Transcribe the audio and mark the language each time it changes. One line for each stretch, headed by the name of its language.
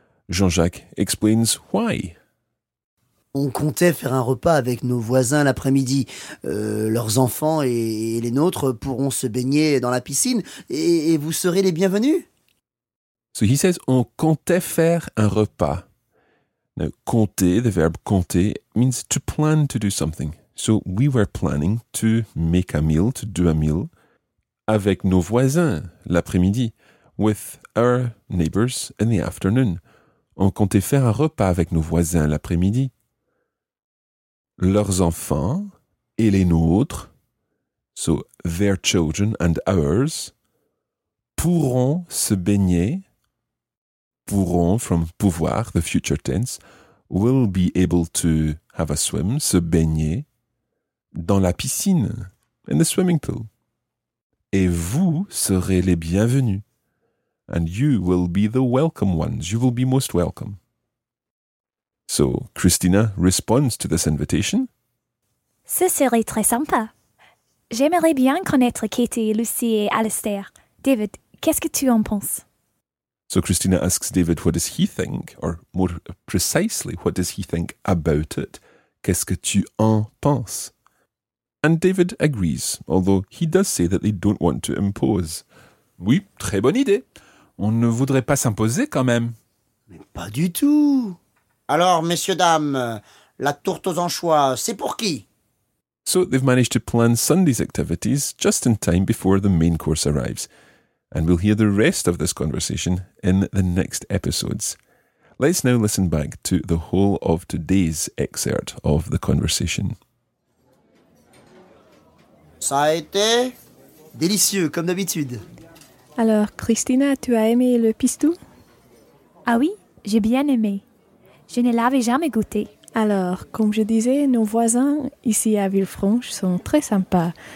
English: Jean-Jacques explains why.
French: On comptait faire un repas avec nos voisins l'après-midi. Leurs enfants et les nôtres pourront se baigner dans la piscine et vous serez les bienvenus.
English: So he says
French: on comptait faire un repas.
English: Now, compter, the verb compter, means to plan to do something. So we were planning to make a meal, to do a meal,
French: avec nos voisins l'après-midi,
English: with our neighbors in the afternoon.
French: On comptait faire un repas avec nos voisins l'après-midi. Leurs enfants et les nôtres,
English: so their children and ours,
French: pourront se baigner,
English: pourront from pouvoir, the future tense, will be able to have a swim,
French: se baigner, dans la piscine,
English: in the swimming pool.
French: Et vous serez les bienvenus,
English: and you will be the welcome ones, you will be most welcome. So, Christina responds to this invitation.
French: Ce serait très sympa. J'aimerais bien connaître Katie, Lucy et Alistair. David, qu'est-ce que tu en penses?
English: So, Christina asks David, what does he think? Or, more precisely, what does he think about it?
French: Qu'est-ce que tu en penses?
English: And David agrees, although he does say that they don't want to impose.
French: Oui, très bonne idée. On ne voudrait pas s'imposer quand même. Mais pas du tout. Alors, messieurs, dames, la tourte aux anchois, c'est pour qui?
English: So they've managed to plan Sunday's activities just in time before the main course arrives. And we'll hear the rest of this conversation in the next episodes. Let's now listen back to the whole of today's excerpt of the conversation.
French: Ça a été délicieux, comme d'habitude. Alors, Christina, tu as aimé le pistou? Ah oui, j'ai bien aimé. Je ne l'avais jamais goûté. Alors, comme je disais, nos voisins ici à Villefranche sont très sympas.